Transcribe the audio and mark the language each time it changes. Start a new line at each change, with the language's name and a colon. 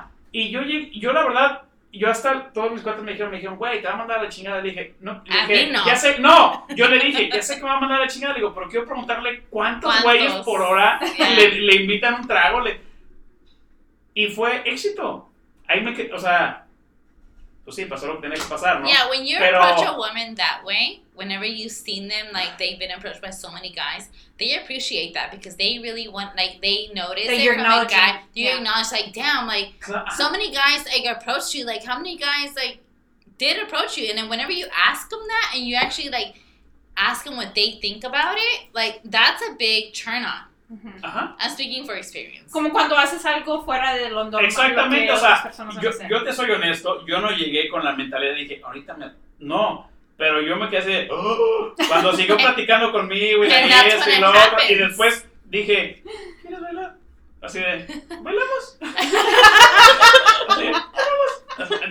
Spanish: Y yo la verdad, yo hasta todos mis cuates me dijeron, güey, te va a mandar a la chingada. Le dije, no. A mí no. Ya sé, no. Yo le dije, ya sé que me va a mandar a la chingada. Le digo, pero quiero preguntarle cuántos güeyes por hora le invitan un trago. Y fue éxito. Ahí me quedé, o sea, pues sí, pasó lo que tenía que pasar, ¿no?
English: Yeah, when you approach a woman that way, whenever you've seen them, like, they've been approached by so many guys, they appreciate that because they really want, like, they notice that you're from a guy. You acknowledge, like, damn, like, so many guys, like, approached you. Like, how many guys, like, did approach you? And then whenever you ask them that and you actually, like, ask them what they think about it, like, that's a big turn-on. Uh-huh. I'm speaking for experience.
Spanish: Como cuando haces algo fuera de Londres. Exactamente, o sea, yo te soy honesto, yo no llegué con la mentalidad, dije, ahorita me... No. Pero yo me quedé así, cuando siguió platicando conmigo y la niñez y lo otro, y después dije, ¿quieres bailar? Así de, ¿bailamos? ¿Bailamos?